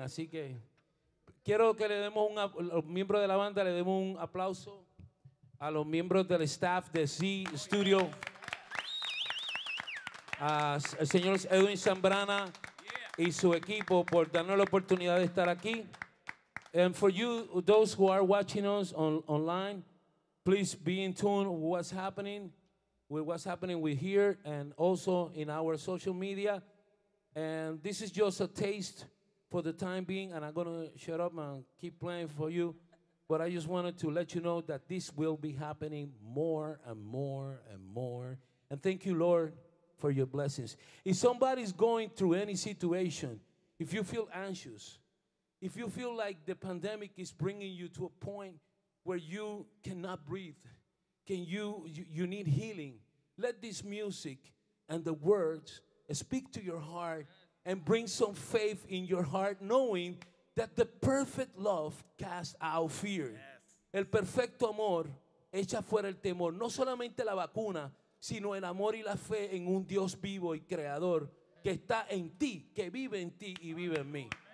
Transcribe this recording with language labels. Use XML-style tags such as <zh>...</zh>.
<es>Así que quiero que le demos un los miembros de la banda, le demos un aplauso a los miembros del staff de Z Studio. Al señor Edwin Zambrana, y su equipo por darnos la oportunidad de estar aquí.</es> <en>And for you, those who are watching us online, please be in tune with what's happening, with what's happening with here and also in our social media. And this is just a taste for the time being, and I'm going to shut up and keep playing for you. But I just wanted to let you know that this will be happening more and more and more. And thank you, Lord, for your blessings. If somebody's going through any situation, if you feel anxious, if you feel like the pandemic is bringing you to a point where you cannot breathe, you need healing, let this music and the words speak to your heart and bring some faith in your heart, knowing that the perfect love casts out fear.</en> <es>Yes. El perfecto amor echa fuera el temor. No solamente la vacuna, sino el amor y la fe en un Dios vivo y creador que está en ti, que vive en ti y vive en mí.</es>